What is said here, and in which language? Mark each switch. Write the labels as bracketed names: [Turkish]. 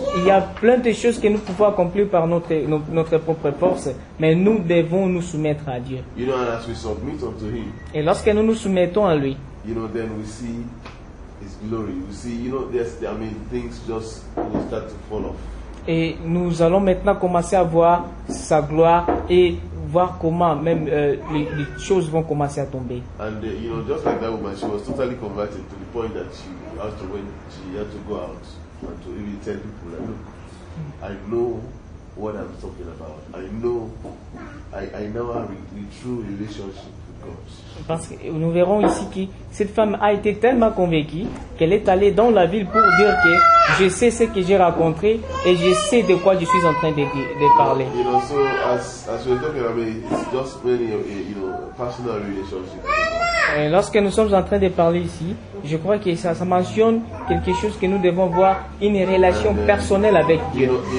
[French] Il y a plein de choses que nous pouvons accomplir par notre propre force, mais nous devons nous soumettre à Dieu. [English] You know, and as we submit unto Him. [French] Et lorsque nous nous soumettons à lui. [English] You know, then we see His glory. We see, you know, things just will start to fall off. [French] Et nous allons maintenant commencer à voir sa gloire et voir comment même les choses vont commencer à tomber. [English] And you know, just like that woman, she was totally converted to the point that she had to go out and to even tell people, like, look, I know what I'm talking about. I know our true relationship with God. [French] Parce que nous verrons ici que cette femme a été tellement convaincue qu'elle est allée dans la ville pour dire que je sais ce que j'ai rencontré et je sais de quoi je suis en train de parler. [English] You know, so as we're talking, I mean, it's just really, you know, personal relationship. [French] Et lorsque nous sommes en train de parler ici, je crois que ça mentionne quelque chose que nous devons voir, une relation personnelle avec Dieu.